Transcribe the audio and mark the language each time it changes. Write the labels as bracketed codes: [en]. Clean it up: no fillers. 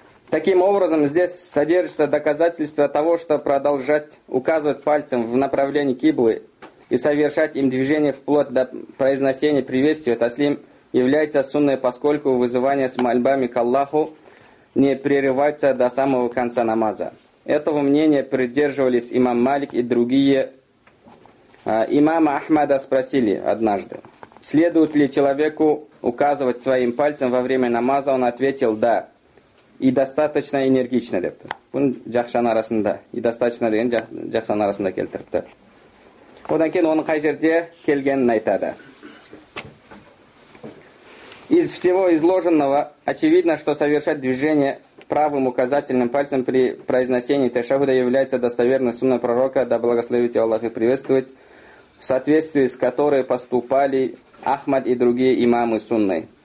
[ru] Таким образом, здесь содержится доказательство того, что продолжать указывать пальцем в направлении киблы и совершать им движение вплоть до произношения приветствия таслим является сунной, поскольку вызывание с мольбами к Аллаху не прерывается до самого конца намаза. Этого мнения придерживались имам Малик и другие. Имама Ахмада спросили однажды, следует ли человеку указывать своим пальцем во время намаза, он ответил «да». И достаточно энергично [kk] депті. Бұн жақшан арасында. [ru] И достаточно [kk] деген жақшан арасында келтіріпті. Одан кейін оның қай жерде келгенін айтады. [ru] Из всего изложенного очевидно, что совершать движение правым указательным пальцем при произношении тешахуда является достоверной сунной пророка, да благословит Аллах и приветствует, в соответствии с которой поступали Ахмад и другие имамы сунны.